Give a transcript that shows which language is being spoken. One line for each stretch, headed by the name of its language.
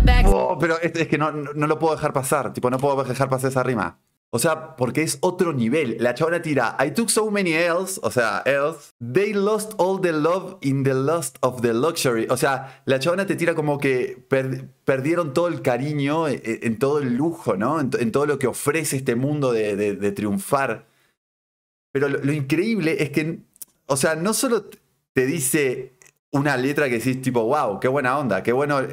Spanish: Oh, pero es que no lo puedo dejar pasar, tipo, no puedo dejar pasar esa rima. O sea, porque es otro nivel. La chabona tira,
English: I took so many L's,
Spanish: o sea, L's.
English: They lost all the love in the lust of the luxury.
Spanish: O sea, la chabona te tira como que perdieron todo el cariño en todo el lujo, ¿no? En todo lo que ofrece este mundo de triunfar. Pero lo increíble es que, o sea, no solo te dice una letra que decís tipo, wow, qué buena onda, qué bueno.